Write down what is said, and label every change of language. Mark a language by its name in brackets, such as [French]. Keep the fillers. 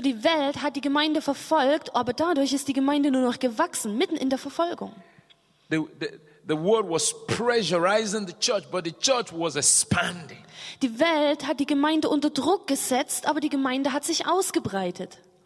[German] die Welt hat die Gemeinde verfolgt, aber dadurch ist die Gemeinde nur noch gewachsen mitten in der Verfolgung. Die Welt [English] the, the, the world was pressurizing the church, but the church was expanding. [German] Die Welt hat die Gemeinde unter Druck gesetzt, aber die Gemeinde hat sich ausgebreitet.